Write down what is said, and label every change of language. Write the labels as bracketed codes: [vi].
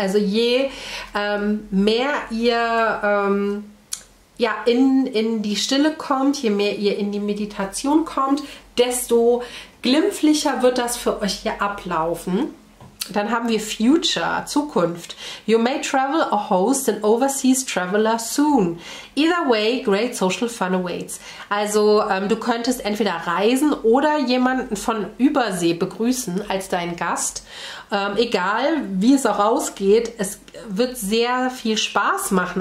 [de] Also je mehr ihr in die Stille kommt, je mehr ihr in die Meditation kommt, desto glimpflicher wird das für euch hier ablaufen. Dann haben wir Future, Zukunft. [en] You may travel or host an overseas traveler soon. Either way, great social fun awaits. [de] Also du könntest entweder reisen oder jemanden von Übersee begrüßen als deinen Gast. Egal, wie es auch ausgeht, es wird sehr viel Spaß machen.